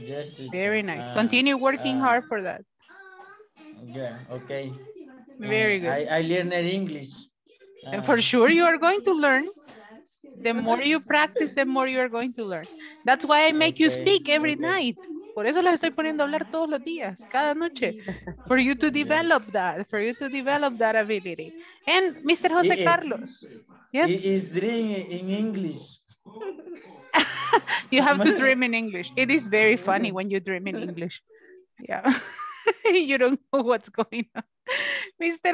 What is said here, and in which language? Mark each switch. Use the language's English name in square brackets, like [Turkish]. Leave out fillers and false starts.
[English] Yes, yes, very nice. Continue working hard for that. Yeah, okay. Very good. I learned English. For sure you are going to learn. The more you practice, the more you are going to learn. That's why I make you speak every night. [Spanish] Por eso les estoy poniendo a hablar todos los días, cada noche. [English] For you to develop that, for you to develop that ability. And Mr. Jose Carlos. Yes? It is dream in English. You have to dream in English. It is very funny when you dream in English. Yeah. You don't know what's going on. Mr.